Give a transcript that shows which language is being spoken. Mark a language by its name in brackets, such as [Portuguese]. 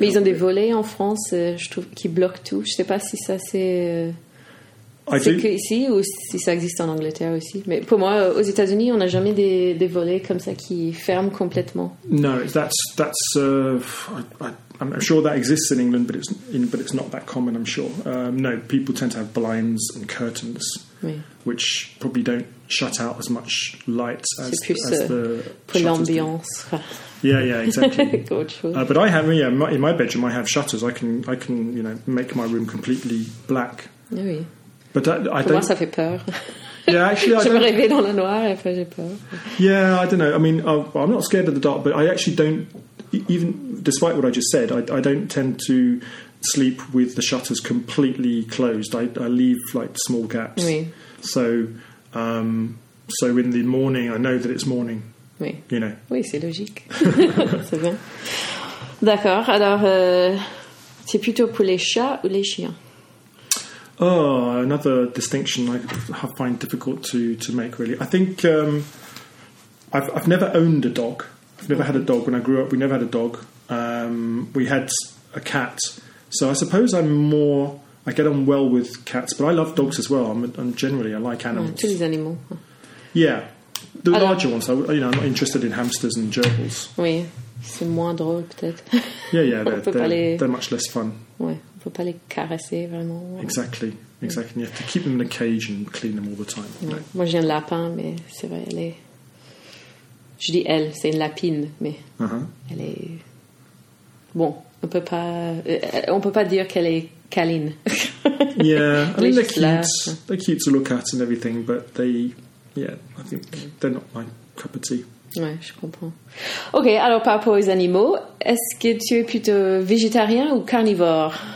[French] Mais ils ont des volets en France, je trouve, qui bloquent tout. Je sais pas si ça c'est. C'est qu'ici ou si ça existe en Angleterre aussi. Mais pour moi, aux États-Unis, on n'a jamais des volets comme ça qui ferment complètement. [English] No, that's I'm sure that exists in England, but it's not that common. I'm sure. No, people tend to have blinds and curtains, [French] oui. [English] which probably don't shut out as much light as [French] c'est plus [English] as the [French] pour l'ambiance. [English] Yeah, exactly. But I have, yeah, in my bedroom, I have shutters. I can you know make my room completely black. [French] Oui. [English] But I [French] pour moi, ça fait peur. [English] Yeah, actually, [French] je me réveille dans le noir et après j'ai peur. [English] Yeah, I don't know. I mean, I'm not scared of the dark, but I actually don't, even despite what I just said, I don't tend to sleep with the shutters completely closed. I leave like small gaps. [French] Oui. [English] So, so in the morning, I know that it's morning. [French] Oui. [English] You know. [French] Oui, c'est logique. C'est bien. D'accord. Alors, c'est plutôt pour les chats ou les chiens? [English] Oh, another distinction I find difficult to make, really. I think I've never owned a dog. I've never had a dog. When I grew up, we never had a dog. We had a cat. So I suppose I get on well with cats, but I love dogs as well. I like animals. [French] Tous les animaux. [English] Yeah. The larger ones. I'm not interested in hamsters and gerbils. [French] Oui. c'est moins drôle peut-être. [English] Yeah, yeah, they're much less fun. [French] Ouais, on peut pas les caresser vraiment. Ouais. [English] Exactly, exactly. Yeah. You have to keep them in a cage and clean them all the time. [French] Ouais. Right. Moi, j'ai un lapin, mais c'est vrai, elle est... Je dis elle, c'est une lapine, mais elle est... Bon, on peut pas dire qu'elle est câline. [English] Yeah, I mean, they're cute to look at and everything, but they, yeah, I think they're not my cup of tea. [French] Ouais, je comprends. Ok, alors par rapport aux animaux, est-ce que tu es plutôt végétarien ou carnivore?